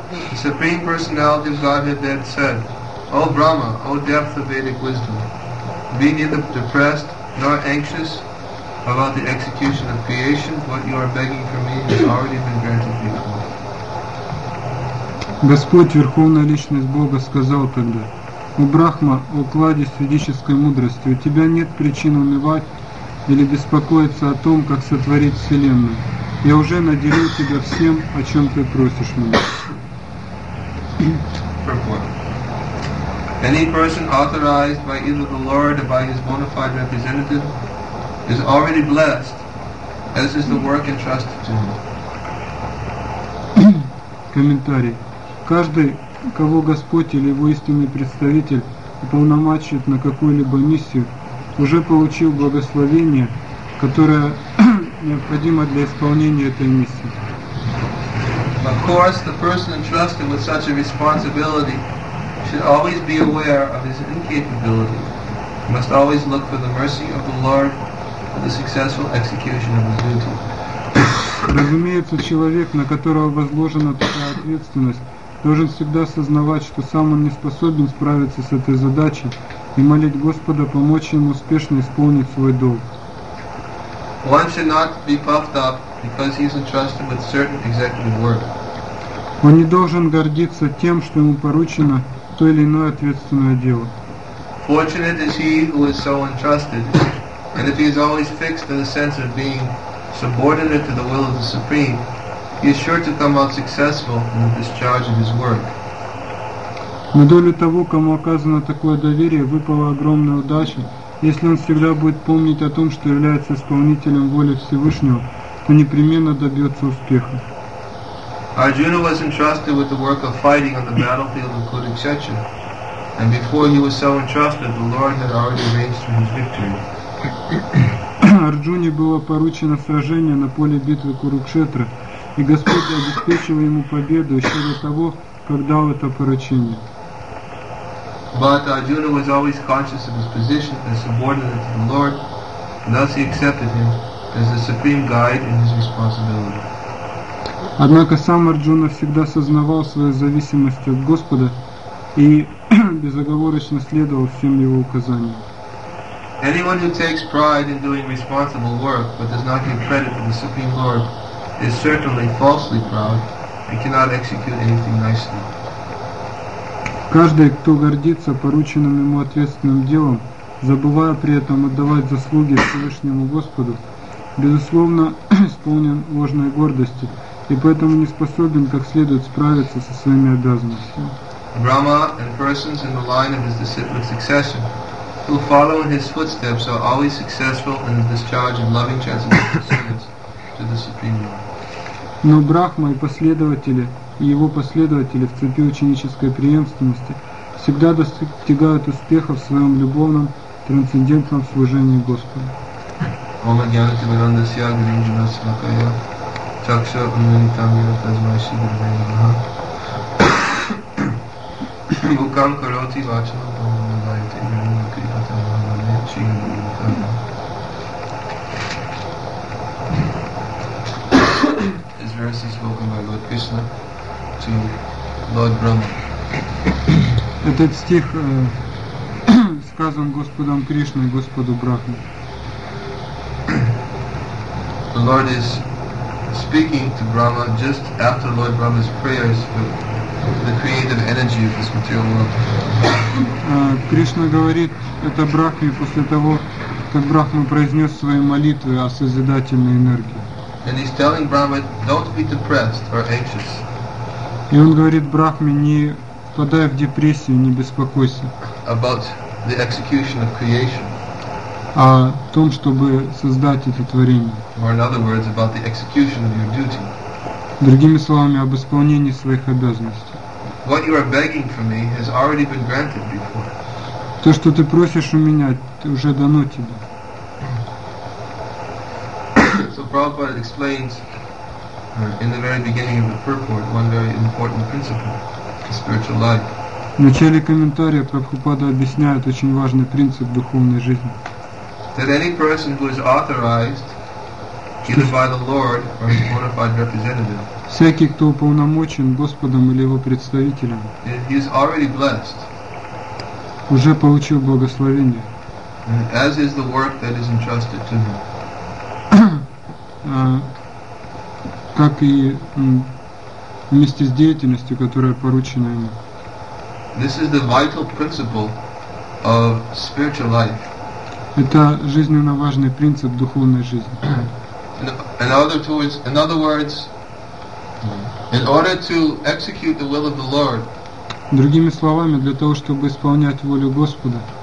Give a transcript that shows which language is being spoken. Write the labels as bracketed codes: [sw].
[en] The Supreme Personality of Godhead then said, O Brahma, O depth of Vedic wisdom, be neither depressed nor anxious about the execution of creation, what you are begging for me has already been granted before. [ru] Господь, Верховная Личность Бога, сказал тогда, «О Брахма, о кладезь ведической мудрости, у тебя нет причин унывать или беспокоиться о том, как сотворить Вселенную. Я уже наделил тебя всем, о чем ты просишь меня». [en] Any person authorized by either the Lord or by his bona fide representative is already blessed, as is the work entrusted to him. [ru] Комментарий. Каждый, кого Господь или его истинный представитель уполномочивает на какую-либо миссию, уже получил благословение, которое необходимо для исполнения этой миссии. [en] Of course, the person entrusted with such a responsibility should always be aware of his incapability, must always look for the mercy of the Lord, the successful execution of his duty. [ru] Разумеется, человек, на которого возложена такая ответственность, должен всегда сознавать, что сам он не способен справиться с этой задачей и молить Господа помочь ему успешно исполнить свой долг. [en] One should not be puffed up because he's entrusted with certain executive work. [ru] Он не должен гордиться тем, что ему поручено то или иное ответственное дело. [en] Fortunate is he who is so entrusted, and if he is always fixed in the sense of being subordinate to the will of the Supreme, he is sure to come out successful in the discharge of his work. [ru] На долю того, кому оказано такое доверие, выпала огромная удача. Если он всегда будет помнить о том, что является исполнителем воли Всевышнего, то непременно добьется успеха. [en] Arjuna was entrusted with the work of fighting on the battlefield of Kurukshetra, and before he was so entrusted, the Lord had already arranged for his victory. [ru] Арджуне было поручено сражение на поле битвы Курукшетры, и Господь обеспечил ему победу еще до того, как дал это поручение. [en] But Arjuna was always conscious of his position as subordinate to the Lord, and thus he accepted him as the supreme guide in his responsibility. [ru] Однако сам Арджуна всегда сознавал свою зависимость от Господа и безоговорочно следовал всем его указаниям. [en] Anyone who takes pride in doing responsible work but does not give credit to the Supreme Lord is certainly falsely proud and cannot execute anything nicely. [ru] Каждый, кто гордится порученным ему ответственным делом, забывая при этом отдавать заслуги Всевышнему Господу, безусловно исполнен ложной гордости и поэтому не способен как следует справиться со своими обязанностями. [en] Brahma and persons in the line of his disciplic succession who follow in his footsteps are always successful in the discharge of loving transcendental service to the Supreme Lord. [ru] Но Брахма и последователи и его последователи в цепи ученической преемственности всегда достигают успеха в своем любовном, трансцендентном служении Господу. Ома Гьянати Баранда Сия Гринджина Сакая Чакша Унвани Тамина Тазмай Сидр Дэйна Маха Ивукам Кароти Вачана Бхамана Дайте Гринджина Крипата Мамане Чинга Гринджина. [en] This verse is spoken by Lord Krishna to Lord Brahma. [ru] Этот стих сказан Господом Кришной, Господу Брахме. [en] The Lord is speaking to Brahma just after Lord Brahma's prayers for the creative energy of this material world. [ru] Кришна говорит это Брахме после того, как Брахма произнес свои молитвы о созидательной энергии. [en] And he's telling Brahma, don't be depressed or anxious. [ru] И он говорит Брахме, не впадай в депрессию, не беспокойся. [en] About the execution of creation. [ru] О том, чтобы создать это творение. [en] Or in other words, about the execution of your duty. [ru] Другими словами, об исполнении своих обязанностей. [en] What you are begging for me has already been granted before. [ru] То, что ты просишь у меня, уже дано тебе. [en] So Prabhupada explains in the very beginning of the purport, one very important principle of spiritual life. [ru] В начале комментария Прабхупада объясняет очень важный принцип духовной жизни. [en] That any person who is authorized, either by the Lord or his bona fide representative, [ru] всякий, кто уполномочен Господом или его представителем, [en] he is already blessed. [ru] Уже получил благословение. [en] As is the work that is entrusted to him. [ru] Как и вместе с деятельностью, которая поручена ему. [en] This is the vital principle of spiritual life. [ru] Это жизненно важный принцип духовной жизни. [en] In other words, in order to execute the will of the Lord, [ru] другими словами, для того, чтобы исполнять волю Господа,